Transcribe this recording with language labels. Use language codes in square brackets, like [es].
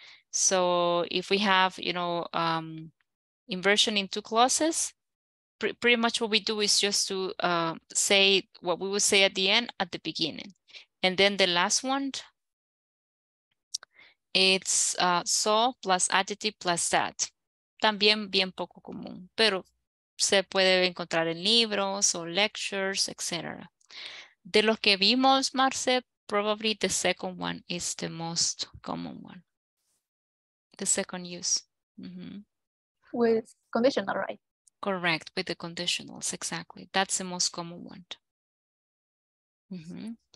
[en] So if we have, you know, inversion in two clauses, pretty much what we do is just to say what we will say at the end, at the beginning. And then the last one, it's so plus adjective plus that. [es] También bien poco común, pero se puede encontrar en libros o lectures, etc. [en] De los que vimos, Marce, probably the second one is the most common one. The second use. Mm-hmm. With conditional, right? Correct, with the conditionals, exactly. That's the most common one. Mm-hmm.